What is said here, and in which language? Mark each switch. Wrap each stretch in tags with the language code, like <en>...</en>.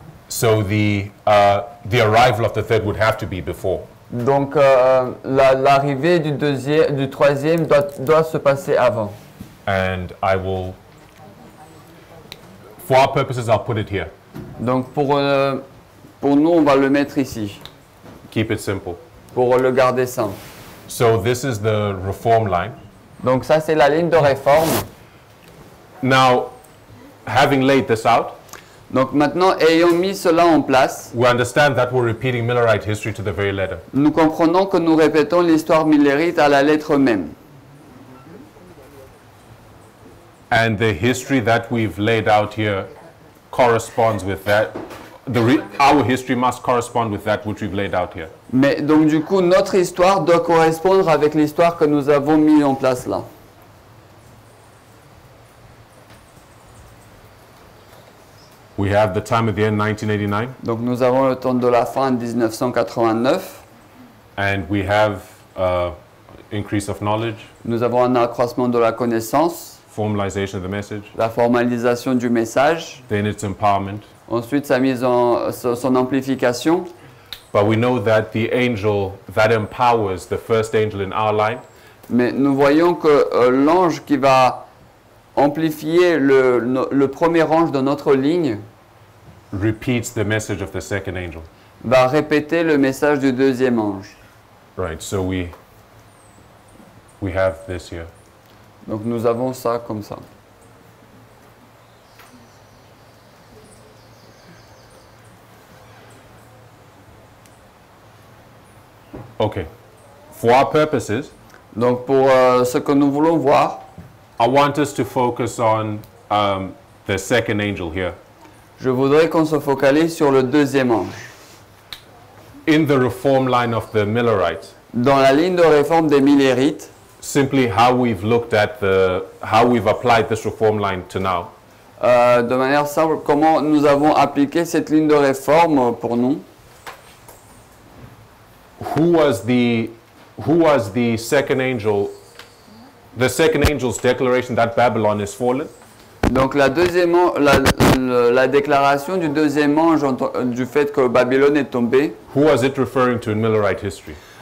<en>So the arrival of the third would have to be before.</en> <fr>Donc l'arrivée du troisième doit se passer avant.</fr> <en>And I will, for our purposes, I'll put it here.</en> <fr>Donc pour nous, on va le mettre ici.</fr> <en>Keep it simple.</en> <fr>Pour le garder simple.</fr> <en>So this is the reform line.</en> <fr>Donc ça, c'est la ligne de réforme.</fr> <en>Now, having laid this out.</en> <fr>Donc maintenant, ayant mis cela en place.</fr> <en>We understand that we're repeating Millerite history to the very letter.</en> <fr>Nous comprenons que nous répétons l'histoire millérite à la lettre même.</fr> <en>And the history that we've laid out here corresponds with that. Our history must correspond with that which we've laid out here.</en> <fr>Mais donc du coup, notre histoire doit correspondre avec l'histoire que nous avons mis en place là.</fr> <en>We have the time at the end, 1989.</en> <fr>Donc nous avons le temps de la fin, 1989.</fr> <en>And we have increase of knowledge.</en> <fr>Nous avons un accroissement de la connaissance.</fr> <en>Formalization of the message.</en> <fr>La formalisation du message.</fr> <en>Then its empowerment.</en> <fr>Ensuite, sa mise en son amplification.</fr> <en>But we know that the angel that empowers the first angel in our line.</en> <fr>Mais nous voyons que l'ange qui va amplifier le premier ange de notre ligne.</fr> <en>Repeats the message of the second angel.</en> <fr>Va répéter le message du deuxième ange.</fr> <en>Right. So we have this here.</en> <fr>Donc nous avons ça comme ça.</fr> <en>OK. For our purposes,</en> <fr>donc pour ce que nous voulons voir,</fr> <en>I want us to focus on the second angel here.</en> <fr>Je voudrais qu'on se focalise sur le deuxième ange.</fr> <en>In the reform line of the Millerites.</en> <fr>Dans la ligne de réforme des Millerites.</fr> <en>Simply how we've looked at how we've applied this reform line to now.</en> <fr>De manière simple, comment nous avons appliqué cette ligne de réforme pour nous?</fr> <en>Who was the second angel? The second angel's declaration that Babylon is fallen.</en> <fr>Donc la déclaration du deuxième ange du fait que Babylone est tombée.</fr> <en>Who was it referring to in Millerite history?</en>